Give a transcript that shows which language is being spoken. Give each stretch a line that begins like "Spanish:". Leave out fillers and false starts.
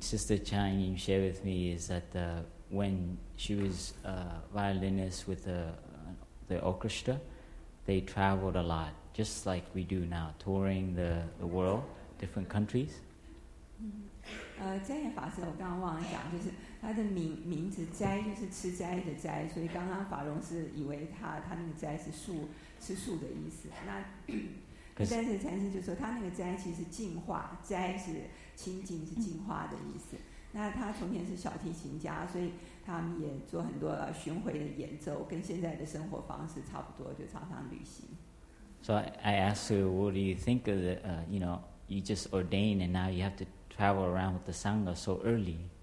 English: Sister Chang Yin shared with me is that when she was a violinist with the orchestra, they traveled a lot, just like we do now, touring the world. Different countries.
Chinese: 詹彦法师，我刚刚忘了讲，就是他的名字"斋"就是吃斋的"斋"，所以刚刚法融师以为他那个"斋"是树的意思。那，但是禅师就说他那个"斋"其实净化，"斋"是清净，是净化的意思。那他从前是小提琴家，所以他们也做很多巡回的演奏，跟现在的生活方式差不多，就常常旅行。
English: So I asked her, "What do you think of the you know?" You just ordained, and now you have to travel around with the sangha so early.